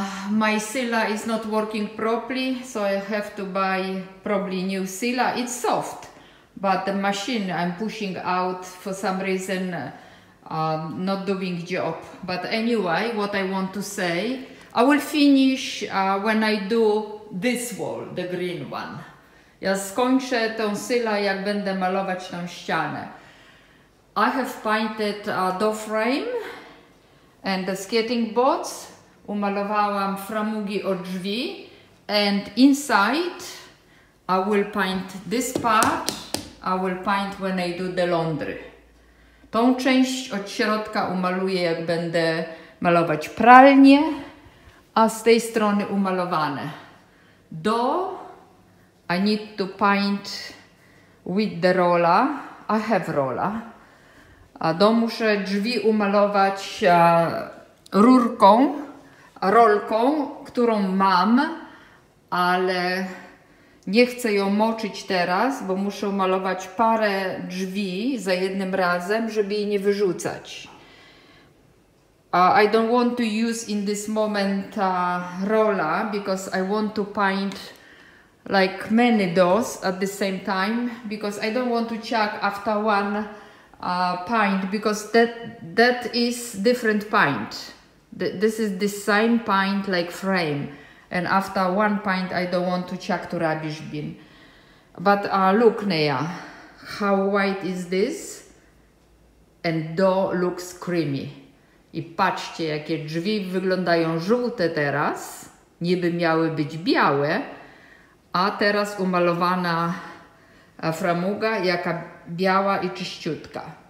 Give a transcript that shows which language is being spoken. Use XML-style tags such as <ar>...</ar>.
<en>My sila is not working properly, so I have to buy probably new sila. It's soft, but the machine I'm pushing out for some reason not doing job. But anyway, what I want to say, I will finish when I do this wall, the green one.</en> <pl>Ja skończę tą syla, jak będę malować tą ścianę.</pl> <en>I have painted a door frame and the skating boards.</en> <pl>Umalowałam framugi od drzwi.</pl> <en>And inside, I will paint this part. I will paint when I do the laundry.</en> <pl>Tą część od środka umaluję, jak będę malować pralnię. A z tej strony umalowane.</pl> <en>Door, I need to paint with the roller. I have roller.</en> <pl>A do muszę drzwi umalować rurką, rolką, którą mam, ale nie chcę ją moczyć teraz, bo muszę umalować parę drzwi za jednym razem, żeby jej nie wyrzucać.</pl> <en>I don't want to use in this moment roller, because I want to paint like many doors at the same time, because I don't want to check after one paint, because that is different paint. This is the same paint like frame, and after one paint I don't want to check to rubbish bin. But look, Neya, how white is this? And door looks creamy.</en> <pl>I patrzcie, jakie drzwi wyglądają żółte teraz. Niby miały być białe, a teraz umalowana framuga, jaka biała i czyściutka.</pl>